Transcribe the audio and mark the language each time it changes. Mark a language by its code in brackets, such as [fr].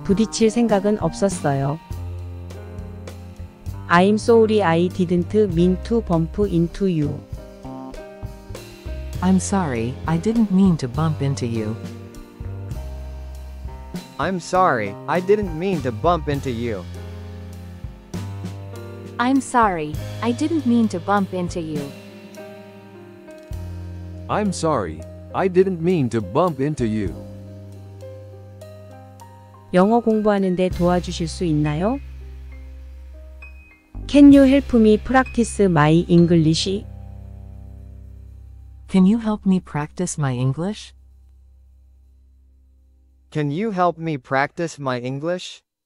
[ko] 부딪힐 생각은 없었어요. [en] I'm sorry I didn't mean to bump into you. I'm sorry, I didn't mean to bump into you. I'm sorry, I didn't mean to bump into you. I'm sorry, I didn't mean to bump into you. I'm sorry, I didn't mean to bump into you. [ko] 영어 공부하는데 도와주실 수 있나요? [en] Can you help me practice my English? Can you help me practice my English? Can you help me practice my English?